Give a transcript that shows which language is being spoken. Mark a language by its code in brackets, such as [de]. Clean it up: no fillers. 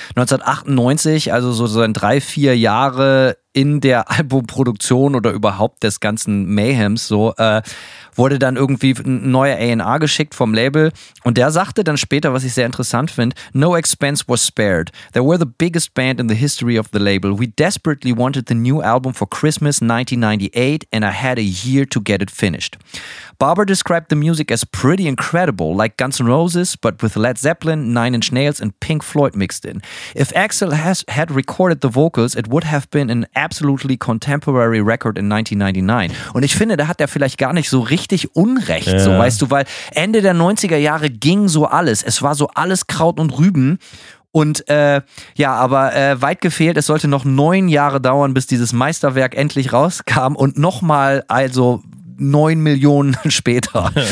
[de] 1998, also so in 3-4 Jahre in der Albumproduktion oder überhaupt des ganzen Mayhems, so wurde dann irgendwie ein neuer A&R geschickt vom Label. Und der sagte dann später, was ich sehr interessant finde, [en] "No expense was spared. They were the biggest band in the history of the label. We desperately wanted the new album for Christmas 1998 and I had a year to get it finished. Barber described the music as pretty incredible, like Guns N' Roses, but with Led Zeppelin, Nine Inch Nails and Pink Floyd mixed in. If Axl had recorded the vocals, it would have been an absolutely contemporary record in 1999. [de] Und ich finde, da hat er vielleicht gar nicht so richtig Unrecht, ja. So weißt du, weil Ende der 90er Jahre ging so alles. Es war so alles Kraut und Rüben. Und weit gefehlt, es sollte noch 9 Jahre dauern, bis dieses Meisterwerk endlich rauskam. Und nochmal, also 9 Millionen später.